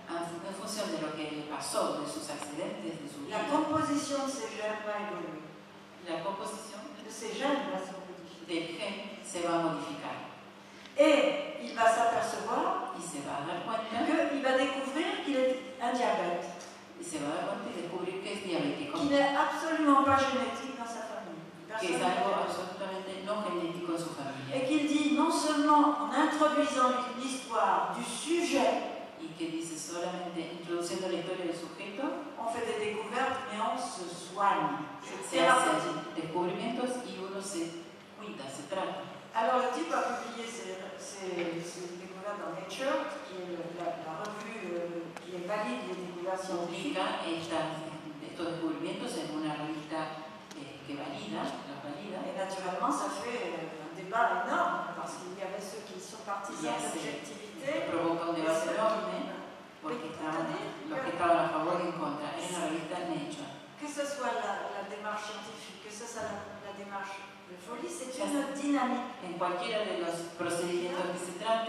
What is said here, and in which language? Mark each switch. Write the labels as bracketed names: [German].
[French] en fonction de [Spanish] lo que le pasó, de sus accidentes, de su vida, [French] la composition de ses gènes va évoluer. La composition de ses gènes va se modifier. Des gènes se va modifier. Et il va s'apercevoir qu'il va découvrir qu'il est un diabète. [Spanish] Y se va a dar cuenta y descubrir que es diabético. [French] Qui n'est absolument pas génétique dans sa famille. [Spanish] Que es algo absolutamente no genético en su familia. [French] Et qu'il dit non seulement en introduisant l'histoire du sujet. [Spanish] Y que dice solamente introduciendo la historia del sujeto. [French] On fait des découvertes mais on se soigne. [Spanish] Se hace descubrimientos y uno se cuida, se trata. [French] Alors le type a publié ses découvertes dans Nature, qui est la revue qui est valide des découvertes scientifiques. [Spanish] Estos descubrimientos en una revista que valida, la valida. [French] Et naturellement, ça fait un débat énorme, parce qu'il y avait ceux qui sont partisans de l'objectivité. [Spanish] Provoca un débat énorme, porque estaban los que estaban a favor y en contra, en la revista Nature. [French] Que ce soit la démarche scientifique, que ce soit la démarche. La folie, c'est une dynamique. [Spanish] En cualquiera de los procedimientos que se trate,